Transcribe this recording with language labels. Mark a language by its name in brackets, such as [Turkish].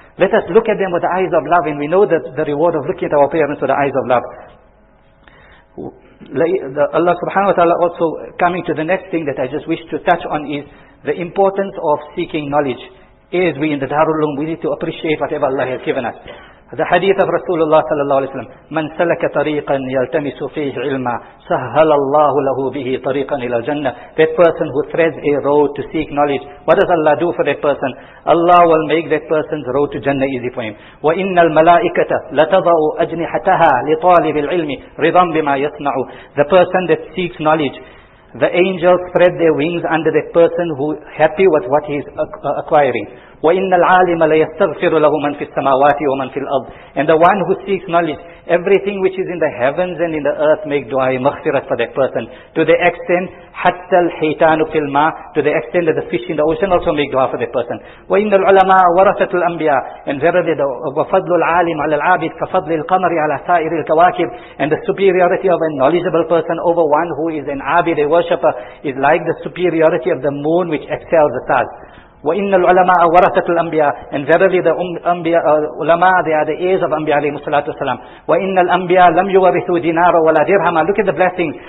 [English] Let us look at them with the eyes of love, and we know that the reward of looking at our parents with the eyes of love. Allah subhanahu wa ta'ala, also coming to the next thing that I just wish to touch on, is the importance of seeking knowledge. As we in the Darul Uloom, we need to appreciate whatever Allah has given us. The hadith of Rasulullah sallallahu alayhi wa sallam, [Arabic] مَنْ سَلَكَ طَرِيقًا يَلْتَمِسُ فِيهِ عِلْمًا سَهَّلَ اللَّهُ لَهُ بِهِ طَرِيقًا إِلَى الْجَنَّةِ. [English] That person who threads a road to seek knowledge, what does Allah do for that person? Allah will make that person's road to Jannah easy for him. [Arabic] وَإِنَّ الْمَلَائِكَةَ لَتَضَعُ أَجْنِحَتَهَا لِطَالِبِ الْعِلْمِ رِضًا بِمَا يَصْنَعُ. [English] The person that seeks knowledge, the angels spread their wings under that person who happy with what he is acquiring. [Arabic] وَإِنَّ الْعَالِمَ لَيَسْتَغْفِرُ لَهُ مَنْ فِي السَّمَاوَاتِ وَمَنْ فِي الْأَرْضِ. [English] And the one who seeks knowledge, everything which is in the heavens and in the earth make dua, maghfirat for that person. To the extent, [Arabic] حَتَّى الْحَيْتَانُ فِي الْمَا, [English] to the extent that the fish in the ocean also make dua for that person. [Arabic] وَإِنَّ الْعُلَمَا وَرَثَةُ الْأَنْبِيَا. [English] And verily, [Arabic] وَفَضْلُ الْعَالِمِ عَلَى الْعَابِدِ كَفَضْلِ الْقَمَرِ عَلَى سَائِرِ الْكَوَاكِبِ. [English] And the superiority of a knowledgeable person over one who is an abid, a worshipper, is like the superiority of the moon which excels the stars. [Arabic] وَإِنَّ الْعُلَمَاءَ وَرَثَةُ الْأَنْبِيَاءِ. [English] And verily the ulama, they are the heirs of anbiya alayhi salatu wasalam. [Arabic] وَإِنَّ الْأَنْبِيَاءَ لَمْ يُوَرِثُوا دِنَارًا وَلَا دِرْهَمًا. [English] Look at the blessings.